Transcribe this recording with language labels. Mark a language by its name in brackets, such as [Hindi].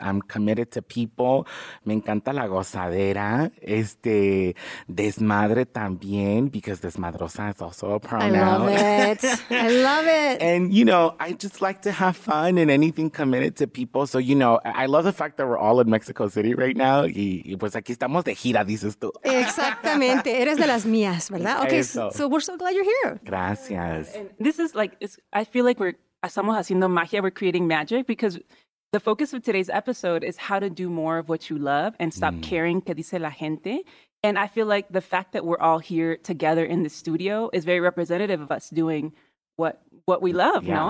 [English] I'm committed to people. [Spanish] Me encanta la gozadera, desmadre también, [English] because desmadrosa is also a pronoun. I love it. I love it. And, you know, I just like to have fun and anything committed to people. So, you know, I love the fact that we're all in Mexico City right now. [Spanish] Y pues aquí estamos de gira, dices tú. Exactamente. Eres de las mías, ¿verdad? [English] Okay, so we're so glad you're here. [Spanish] Gracias. [English] And this is like, I feel like [Spanish] estamos haciendo magia, [English] we're creating magic, because the focus of today's episode is how to do more of what you love and stop caring [Spanish] que dice la gente. [English] And I feel like the fact that we're all here together in the studio is very representative of us doing what we love, you know?